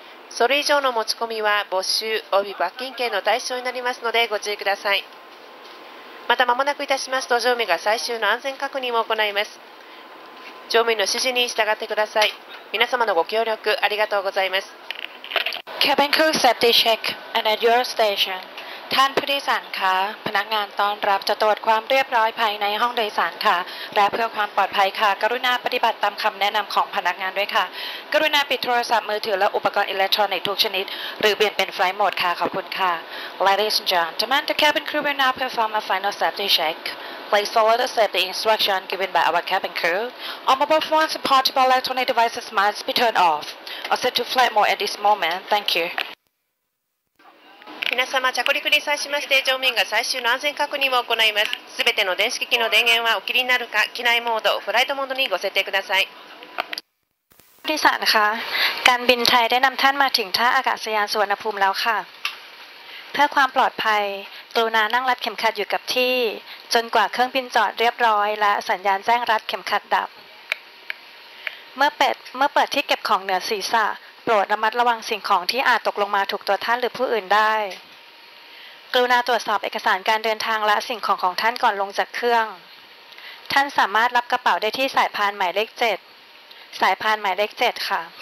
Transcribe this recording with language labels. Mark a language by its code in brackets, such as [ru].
[ja] それ以上の持ち込みは没収及び罰金刑の対象になりますのでご注意ください。また間もなくいたしますと乗務員が最終の安全確認を行います。乗務員の指示に従ってください。皆様のご協力ありがとうございます。 [en] Cabin crew safety check and at your station [th] ท่านผู้โดยสารคะพนักงานต้อนรับจะตรวจความเรียบร้อยภายในห้องโดยสารค่ะและเพื่อความปลอดภัยค่ะกรุณาปฏิบัติตามคำแนะนำของพนักงานด้วยค่ะกรุณาปิดโทรศัพท์มือถือและอุปกรณ์อิเล็กทรอนิกส์ทุกชนิดหรือเปลี่ยนเป็นไฟล์โหมดค่ะขอบคุณค่ะ [en] Ladies and gentlemen, the cabin crew will now perform a final safety check. Please follow the safety instruction given by our cabin crew. All mobile phones and portable electronic devices must be turned off or set to flight mode at this moment. Thank you. [ja] 皆様着陸に際しまして乗務員が最終の安全確認を行います。すべての電子機器の電源はお切りになるか機内モード、フライトモードにご設定ください。 [th] ท่านผู้โดยสารคะ การบินไทยได้นำท่านมาถึงท่าอากาศยานสุวรรณภูมิแล้วค่ะ เพื่อความปลอดภัยกรุณานั่งรัดเข็มขัดอยู่กับที่จนกว่าเครื่องบินจอดเรียบร้อยและสัญญาณแจ้งรัดเข็มขัดดับ เมื่อเปิดที่เก็บของเหนือศีรษะโปรดระมัดระวังสิ่งของที่อาจตกลงมาถูกตัวท่านหรือผู้อื่นได้กรุณาตรวจสอบเอกสารการเดินทางและสิ่งของของท่านก่อนลงจากเครื่องท่านสามารถรับกระเป๋าได้ที่สายพานหมายเลข7สายพานหมายเลข7ค่ะ